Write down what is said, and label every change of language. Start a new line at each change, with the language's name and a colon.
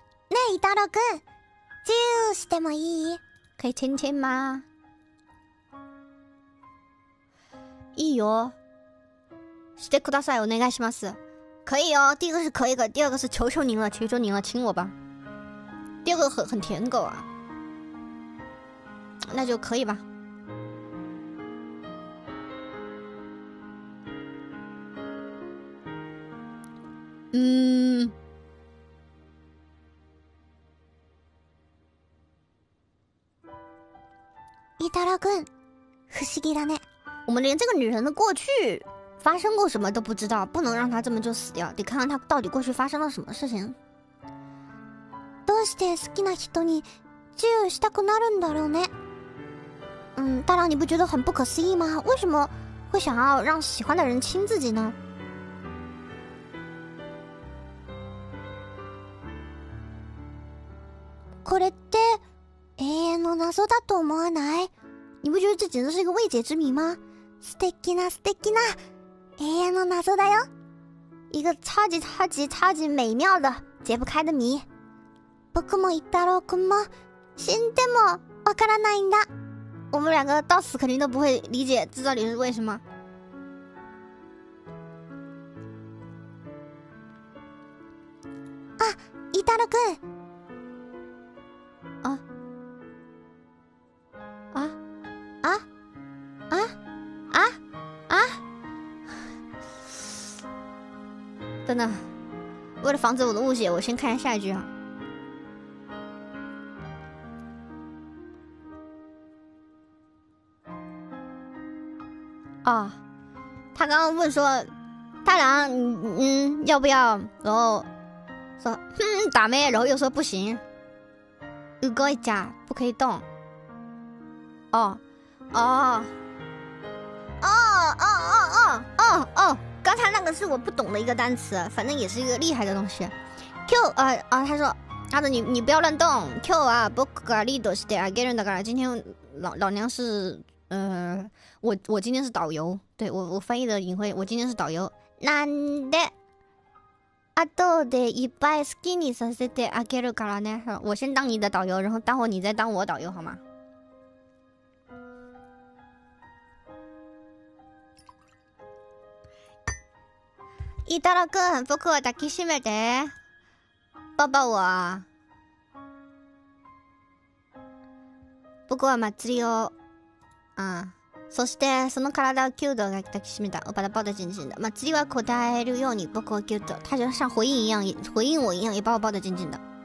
Japanese: ねえ、イタロくん、チューしてもいい？
Chinese: 可以亲亲吗？
Japanese: いいよ。してください、お願いします。
Chinese: 可以よ。第一个是可以的，第二个是求求您了，求求您了，亲我吧。第二个很舔狗啊。那就可以吧。
Japanese: イタロ君、不思議だね。
Chinese: 我们连这个女人的过去发生过什么都不知道，不能让她这么就死掉，得看看她到底过去发生了什么事情。
Japanese: どうして好きな人にチューしたくなるんだろうね？
Chinese: 大郎，你不觉得很不可思议吗？为什么会想要让喜欢的人亲自己呢？
Japanese: これって永遠の謎だと思わない？
Chinese: 你不觉得这简直是一个未解之谜吗？
Japanese: 素敵な素敵な永遠の謎だよ。
Chinese: 一个超级超级超级美妙的解不开的谜。
Japanese: 僕も一太郎くんも死んでもわからないんだ。
Chinese: 我们两个到死肯定都不会理解这到底是为什么。
Japanese: あ、イタロくん。あ。あ。あ。あ。あ。あ。
Chinese: 等等。为了防止我的误解，我先看一下下一句啊。哦，他刚刚问说，太郎，要不要？然后说，打咩？然后又说不行，
Japanese: 動いちゃ，
Chinese: 不可以动。哦，哦，哦哦哦哦哦哦，刚才那个是我不懂的一个单词，反正也是一个厉害的东西。 Q 啊啊，他说，他说你不要乱动。
Japanese: Q 啊，僕がリードしてあげるんだから，
Chinese: 今天老娘是。我今天是导游，对，我翻译的隐晦，我今天是导游。
Japanese: なんで、後でいっぱい好きにさせてあげるからね。
Chinese: 我先当你的导游，然后待会你再当我导游，好吗？
Japanese: 伊太郎君、僕を抱きしめて。
Chinese: 抱抱我。
Japanese: 僕は祭りを。啊，そしてその体をキュートが抱きしめた。
Chinese: 我把他抱得紧紧的。
Japanese: 祭りは答えるように僕をキュート。
Chinese: 他就像回应一样，回应我一样，也把我抱得紧紧的。